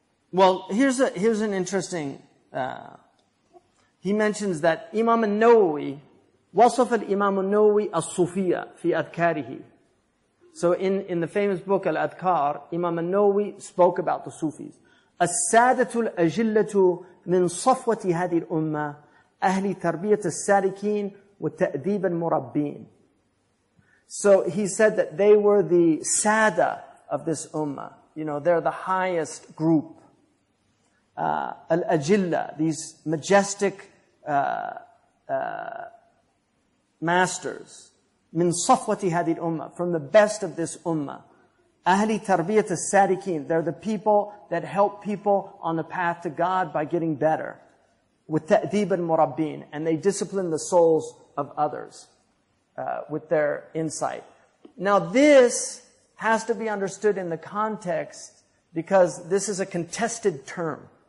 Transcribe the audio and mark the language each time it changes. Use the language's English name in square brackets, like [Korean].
[English] Here's an interesting... He mentions that Imam al-Nawawi, [Arabic] وَصَفَ الْإِمَامُ النَّوَوِي الصُّفِيَّ فِي أَذْكَارِهِ. [English] So in the famous book Al-Adhkar, Imam al-Nawawi spoke about the Sufis. [Arabic] السادة الأجلة من صفوة هذه الأمة أهل تربية السالكين والتأديب المربين. [English] So he said that they were the sada of this ummah. You know, they're the highest group. الأجلة, these majestic masters. [Arabic] من صفوة هذه الأمة, [English] from the best of this ummah. [Arabic] Ahli tarbiyat al-sadiqeen, [English] they're the people that help people on the path to God by getting better. With ta'dib al-murabbeen, and they discipline the souls of others with their insight. Now this has to be understood in the context, because this is a contested term.